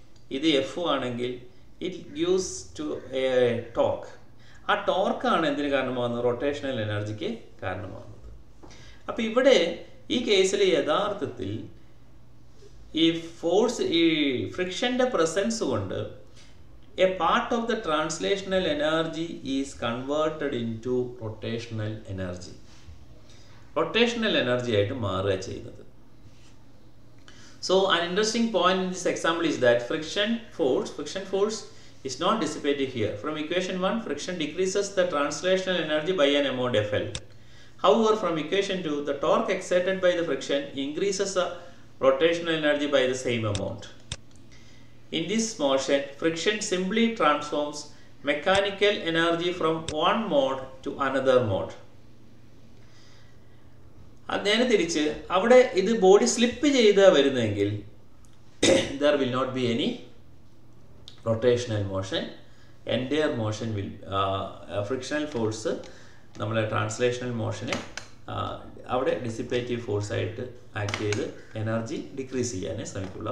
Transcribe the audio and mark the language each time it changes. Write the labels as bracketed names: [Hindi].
[Malayalam] ഇത് എഫ് ആണെങ്കിൽ [English] it gives to torque [Malayalam] ആ ടോർക്കാണ് എന്തിന് കാരണമാകുന്നത് റൊട്ടേഷണൽ എനർജിക്ക് കാരണമാകുന്നത് അപ്പോൾ ഇവിടെ ഈ കേസിൽ യഥാർത്ഥത്തിൽ ഈ ഫോഴ്സ് ഈ ഫ്രിക്ഷൻ്റെ പ്രസൻസ് കൊണ്ട് [English] a part of the translational energy is converted into rotational energy [Malayalam] rotational energy ആയിട്ട് മാറുക ചെയ്യുന്നത് so [English] So an interesting point in this example is that friction force is not dissipated here. From equation 1, friction decreases the translational energy by an amount FL. However, from equation 2, the torque exerted by the friction increases the rotational energy by the same amount. In this motion, friction simply transforms mechanical energy from one mode to another mode. [Malayalam] അദ്ദേഹം തിരിച്ച് അവിടെ ഇത് body slip ചെയ്ത് വരുന്നെങ്കിൽ [English] there will not be any rotational motion [Malayalam] entire motion will frictional force നമ്മളെ translational മോഷനെ അവിടെ dissipative ഫോഴ്സായിട്ട് act ചെയ്ത് energy decrease ചെയ്യാനേ ശ്രമിക്കുള്ളൂ.